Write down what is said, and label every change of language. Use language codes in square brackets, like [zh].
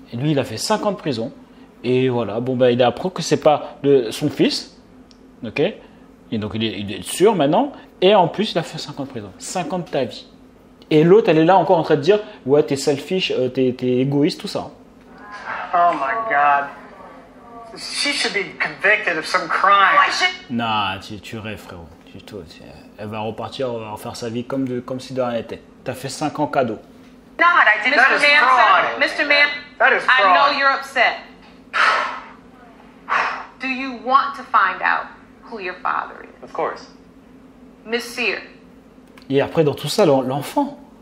[fr] Et lui, il a fait 5 ans de prison. Et voilà, bon, ben, il a appris que c'est pas son fils. OK? Et donc, il est sûr maintenant. Et en plus, il a fait 5 ans de prison. 5 ans de ta vie. Et l'autre, elle est là encore en train de dire, ouais, t'es selfish, t'es égoïste, tout ça. [en] Oh my God, she should be convicted of some crime. Why should? [fr] Nah, tu rêves, frérot. Elle va repartir, elle va refaire sa vie comme si de rien n'était. T'as fait 5 ans cadeau. [en] God, I didn't. That is fraud. Mr. Man, that is fraud. I know you're upset. Do you want to find out who your father is? Of course. Miss Sear. [fr] Et après, dans tout ça, l'enfant.